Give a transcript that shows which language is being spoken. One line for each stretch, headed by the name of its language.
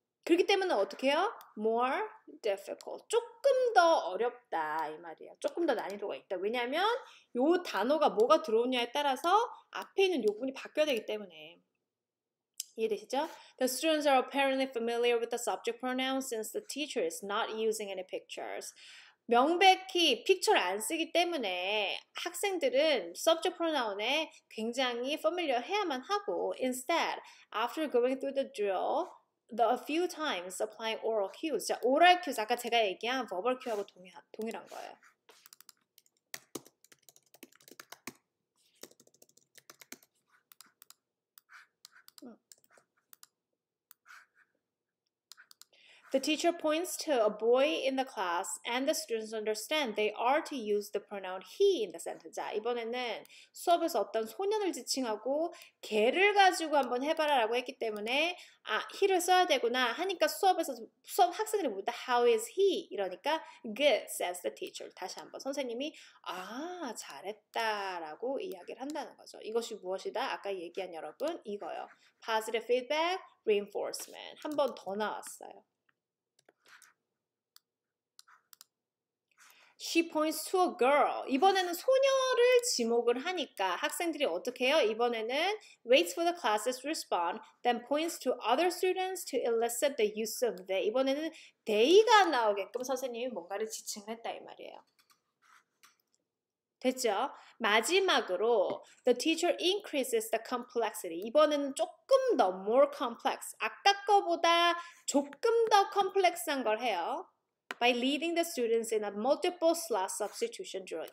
Korean: 그렇기 때문에 어떻게 해요?
English: More difficult.
Korean: 조금 더 어렵다 이 말이에요. 조금 더 난이도가 있다. 왜냐하면 요 단어가 뭐가 들어오냐에 따라서 앞에 있는 요 부분이 바뀌어야 되기 때문에. 이해되시죠?
English: The students are apparently familiar with the subject pronoun since the teacher is not using any pictures.
Korean: 명백히
English: picture
Korean: 안 쓰기 때문에 학생들은
English: subject pronoun에
Korean: 굉장히
English: familiar
Korean: 해야만 하고
English: instead, after going through the drill, the few times applying oral cues.
Korean: 자, oral cues 아까 제가 얘기한 verbal cue하고 동일한 거예요.
English: The teacher points to a boy in the class and the students understand they are to use the pronoun he in the sentence.
Korean: 자, 이번에는 수업에서 어떤 소년을 지칭하고 걔를 가지고 한번 해봐라라고 했기 때문에 아, he를 써야 되구나 하니까 수업에서 수업 학생들이 묻다
English: how is he?
Korean: 이러니까
English: good says the teacher.
Korean: 다시 한번 선생님이 아, 잘했다라고 이야기를 한다는 거죠. 이것이 무엇이다? 아까 얘기한 여러분 이거요.
English: Positive feedback, reinforcement.
Korean: 한번더 나왔어요.
English: She points to a girl.
Korean: 이번에는 소녀를 지목을 하니까 학생들이 어떻게 해요? 이번에는
English: waits for the class's response, then points to other students to elicit the use of they.
Korean: 이번에는 they가 나오게끔 선생님이 뭔가를 지칭을 했다 이 말이에요. 됐죠? 마지막으로
English: the teacher increases the complexity.
Korean: 이번에는 조금 더
English: more complex.
Korean: 아까 거보다 조금 더 컴플렉스한 걸 해요.
English: By leading the students in a multiple slot substitution drill.